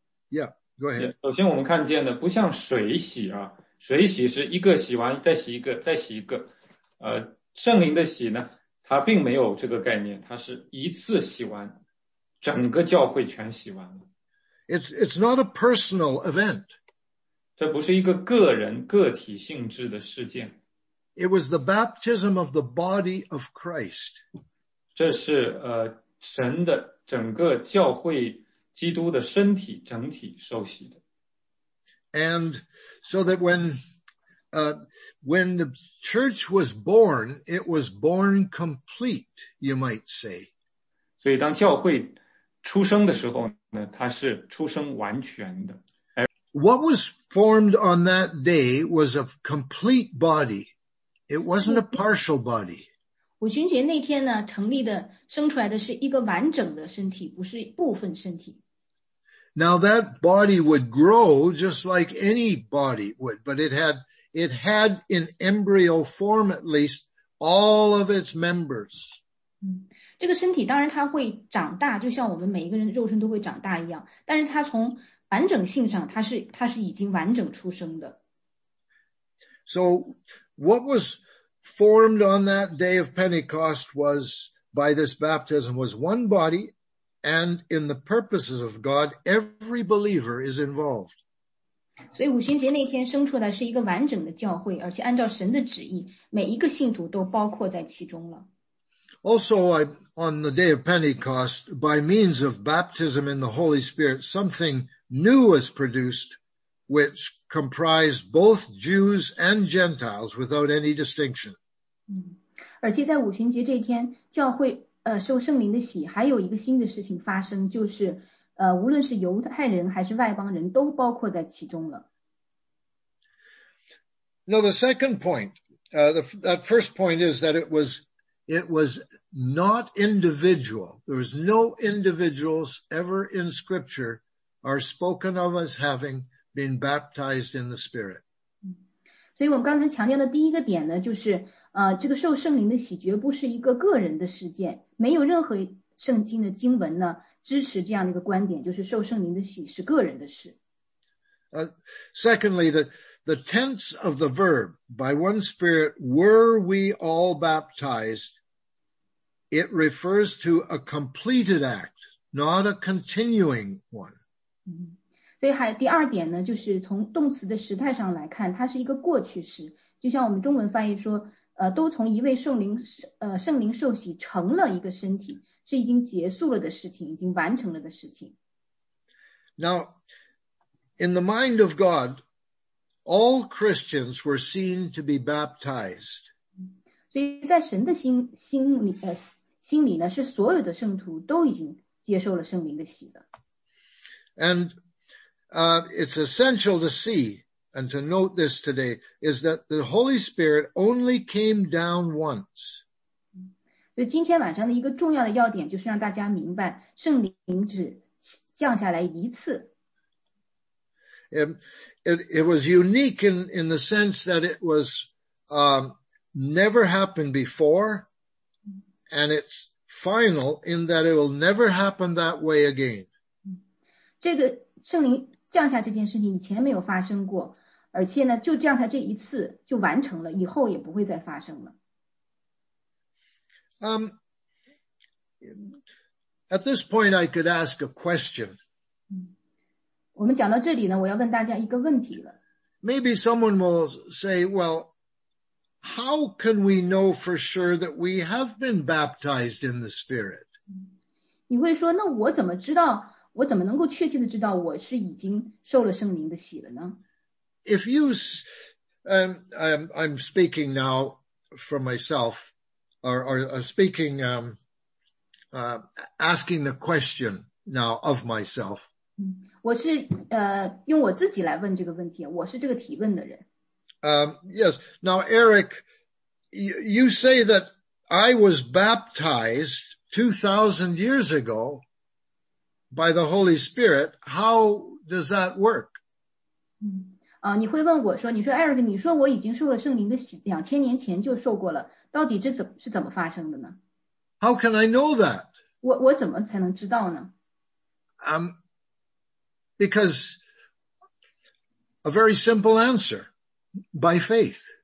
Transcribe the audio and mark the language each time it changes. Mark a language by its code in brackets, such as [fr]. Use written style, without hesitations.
[zh] Yeah, 首先我们看见的不像水洗啊，水洗是一个洗完再洗一个再洗一个，圣灵的洗呢，它并没有这个概念，它是一次洗完，整个教会全洗完了。 [en] It's not a personal event. [zh] 这不是一个个人个体性质的事件。 [en] It was the baptism of the body of Christ. [zh] 这是神的整个教会基督的身体整体受洗的。 [en] And so that when the church was born, it was born complete, you might say. [zh] 所以当教会出生的时候呢，它是出生完全的。 [en] What was formed on that day was a complete body. It wasn't a partial body. [zh] 五旬节那天呢，成立的生出来的是一个完整的身体，不是部分身体。 [en] Now that body would grow just like any body would, but it had in embryo form at least all of its members. [zh] 这个身体当然它会长大，就像我们每一个人肉身都会长大一样，但是它从完整性上，它是已经完整出生的。 [en] So,What was formed on that day of Pentecost was by this baptism was one body, and in the purposes of God, every believer is involved. [zh] 所以五旬节那天生出来是一个完整的教会，而且按照神的旨意，每一个信徒都包括在其中了。 [en] Also, on the day of Pentecost, by means of baptism in the Holy Spirit, something new was produced. Which comprised both Jews and Gentiles without any distinction. [zh] 而且在五旬节这天，教会受圣灵的洗，还有一个新的事情发生，就是无论是犹太人还是外邦人都包括在其中了。 [en] Now the second point, that first point is that it was not individual. There was no individuals ever in scripture are spoken of as having been baptized in the Spirit. [zh] 所以我们刚才强调的第一个点呢就是这个受圣灵的洗决不是一个个人的事件，没有任何圣经的经文呢支持这样的一个观点，就是受圣灵的洗是个人的事。 [en] Secondly, the tense of the verb, by one spirit, were we all baptized, it refers to a completed act, not a continuing one. [zh] 所以还第二点呢，就是从动词的时态上来看，它是一个过去式，就像我们中文翻译说都从一位圣灵受洗成了一个身体，是已经结束了的事情，已经完成了的事情。 [en] Now, in the mind of God, all Christians were seen to be baptized. [zh] 所以在神的心里呢，是所有的圣徒都已经接受了圣灵的洗的。 [en] And, it's essential to see,and to note this today, is that the Holy Spirit only came down once. [zh] 所以今天晚上的一个重要的要点就是让大家明白圣灵只降下来一次。 [en] It was unique in the sense that it was never happened before, and it's final in that it will never happen that way again. [zh] 这个圣灵降下这件事情以前没有发生过，而且呢就这样才这一次就完成了，以后也不会再发生了。 [en] At this point I could ask a question. [zh] 我们讲到这里呢，我要问大家一个问题了。 [en] Maybe someone will say, well, how can we know for sure that we have been baptized in the Spirit? [zh] 你会说，那我怎么知道，我怎么能够确切的知道我是已经受了圣灵的洗了呢？ [en] If you, I'm speaking now for myself, or speaking, asking the question now of myself. [zh] 我是用我自己来问这个问题，我是这个提问的人。 [en] Yes. Now, Eric, you say that I was baptized 2,000 years ago by the Holy Spirit. How does that work? [zh] 你会问我说，你说 Eric, 你说我已经受了圣灵的洗，两千年前就受过了，到底这是怎么发生的呢？ [en] How can I know that? [zh] 我怎么才能知道呢？ [en] Because a very simple answer, by faith.